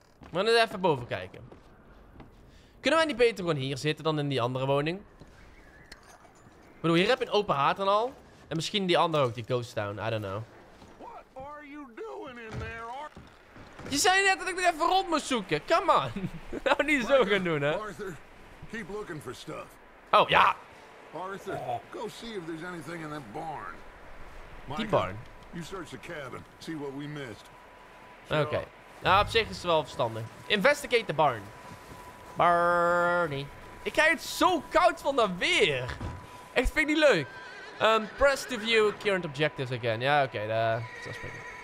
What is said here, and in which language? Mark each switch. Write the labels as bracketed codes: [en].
[nl] We gaan even boven kijken. Kunnen wij niet beter gewoon hier zitten dan in die andere woning? Ik bedoel, hier heb je een open haard en al. En misschien die andere ook, die ghost town. [en] I don't know. What are you doing in there, [nl] Je zei net dat ik er even rond moest zoeken. [en] Come on. [nl] Nou, niet zo Arthur, gaan doen, hè. [en] Arthur, keep looking for stuff. Oh, ja. Arthur, go see if there's anything in that barn. [nl] Die barn. [en] You search the cabin. See what we missed. Oké. [nl] Nou, op zich is het wel verstandig. [en] Investigate the barn. [nl] Barney. Ik krijg het zo koud van dat weer. Echt, vind ik niet leuk. [en] Press to view current objectives again. [nl] Ja, oké. Dat is prima.